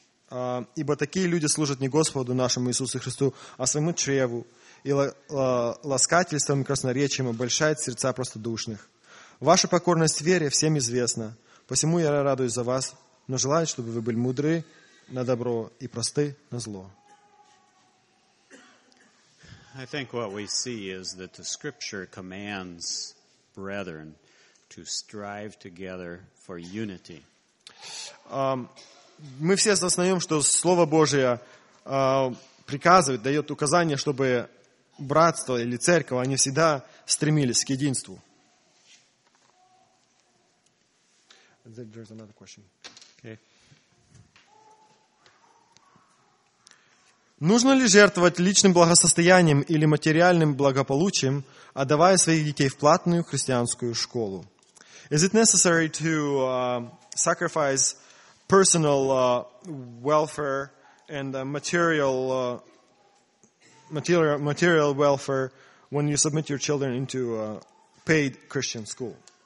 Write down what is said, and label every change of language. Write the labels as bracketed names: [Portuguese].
[Russian] Ибо такие люди служат не Господу нашему Иисусу Христу, а своему чреву, и ласкательством и красноречием обольщает сердца простодушных. Ваша покорность вере всем известна, посему я радуюсь за вас, но желаю, чтобы вы были мудры на добро и просты на зло». [English] I think what we see is that the scripture commands brethren to strive together for unity. [Russian] Мы все осознаем, что Слово Божие приказывает, дает указание, чтобы братство или церковь, они всегда стремились к единству. [English] There's another question. [Russian] Нужно ли жертвовать личным благосостоянием или материальным благополучием, отдавая своих детей в платную христианскую школу? [English] Is it necessary to sacrifice personal welfare and material welfare when you submit your children into a paid Christian school?